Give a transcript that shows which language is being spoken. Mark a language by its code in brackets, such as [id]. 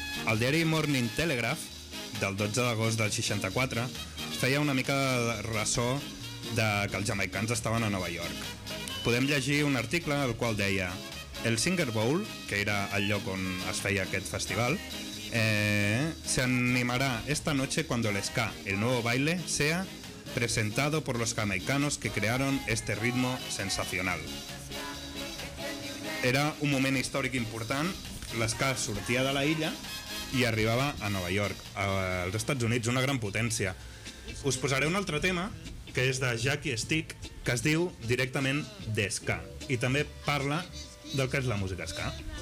[ca] El diari Morning Telegraph, del 12 d'agost del 64, feia una mica de ressò de que els jamaicans estaven a Nova York. Podem llegir un article el qual deia: el Singer Bowl, que era el lloc on es feia aquest festival, [es] se animarà esta noche cuando el ska, el nuevo baile, sea presentado por los jamaicanos que crearon este ritmo sensacional. [ca] Era un moment històric important, l'ska sortia de la illa i arribava a Nova York, als Estats Units, una gran potència. Us posaré un altre tema, que és de Jackie Stick, que es diu directament d'esca, i també parla del que és la música esca.